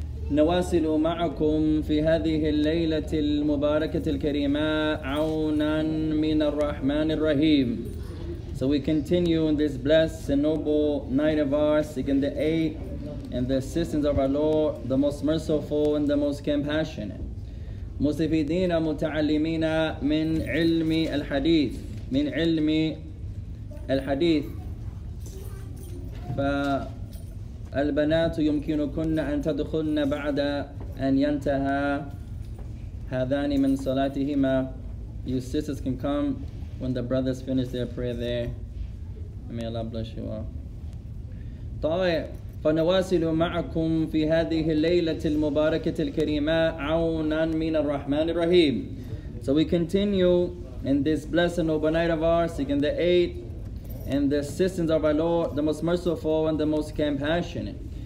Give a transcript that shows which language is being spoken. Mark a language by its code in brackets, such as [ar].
[ar] نواصل معكم في هذه الليلة المباركة الكريمة عونا من الرحمن الرحيم. [en] So we continue in this blessed and noble night of ours, seeking the aid and the assistance of our Lord, the most merciful and the most compassionate. [ar] مستفيدين متعلمين من علم الحديث من علم الحديث. فالبنات يمكنكن أن تدخلن بعد أن ينتهى هذان من صلاتهما. [en] Your sisters can come when the brothers finish their prayer there. May Allah bless you all. [ar] طيب فنواصل معكم في هذه الليلة المباركة الكريمة عونا من الرحمن الرحيم. [en] So we continue in this blessed overnight of ours, seeking the aid and the assistance of our Lord, the most merciful and the most compassionate.